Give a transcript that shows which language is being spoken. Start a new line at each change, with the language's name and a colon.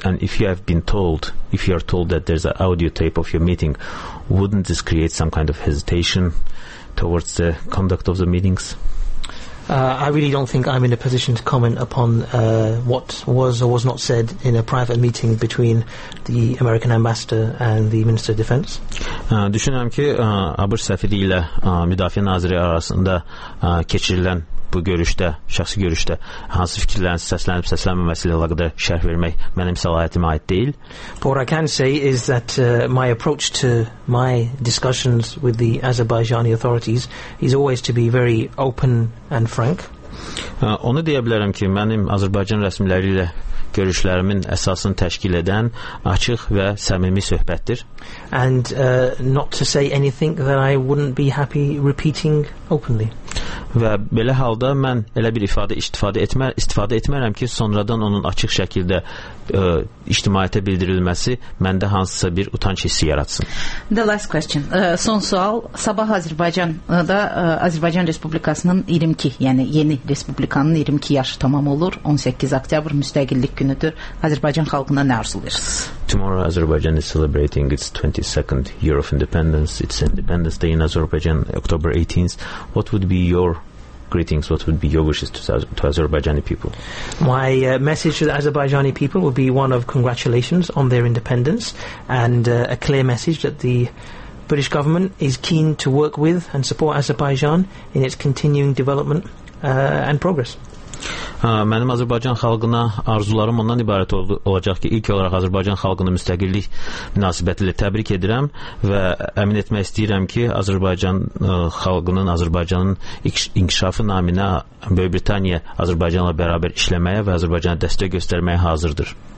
English: And if you have been told, if you are told that there's an audio tape of your meeting, wouldn't this create some kind of hesitation towards the conduct of the meetings? I really don't think I'm in a position to comment upon what was or was not said in a private meeting between the American ambassador and the Minister of Defense.
Azerbaijani: Düşünürəm ki, ABŞ səfiri ilə müdafiə naziri arasında keçirilən bu görüşdə, şəxsi görüşdə hansı fikirlərin səslənib-səslənməməsi ilə əlaqədar şərh vermək mənim səlahiyyətimə aid deyil.
English: But what I can say is that my approach to my discussions with the Azerbaijani authorities is always to be very open and frank.
Azerbaijani: Onu deyə bilərəm ki, mənim Azərbaycan rəsmiləri ilə görüşlərimin əsasını təşkil edən açıq və səmimi söhbətdir.
English: And not to say anything that I wouldn't be happy repeating openly.
Azerbaijani: Və belə halda mən elə bir ifadə istifadə etmərəm ki, sonradan onun açıq şəkildə ictimaiyyətə bildirilməsi məndə hansısa bir utanc hissi yaratsın.
English: The last question.
Azerbaijani: Son sual. Sabah Azərbaycanda Azərbaycan Respublikasının 22, yəni yeni Respublikanın 22 yaşı tamam olur. 18 oktyabr müstəqillik günüdür. Azərbaycan xalqına nə arzulayırsınız?
English: Tomorrow Azerbaijan is celebrating its 22nd year of independence. It's Independence Day in Azerbaijan, October 18th. What would be your greetings, what would be your wishes to Azerbaijani people? My message to the Azerbaijani people would be one of congratulations on their independence and a clear message that the British government is keen to work with and support Azerbaijan in its continuing development and progress.
Azerbaijani: Mənim Azərbaycan xalqına arzularım ondan ibarət olacaq ki, ilk olaraq Azərbaycan xalqını müstəqillik münasibəti ilə təbrik edirəm və əmin etmək istəyirəm ki, Azərbaycan xalqının, Azərbaycanın inkişafı naminə Böyük Britaniya Azərbaycanla bərabər işləməyə və Azərbaycana dəstək göstərməyə hazırdır.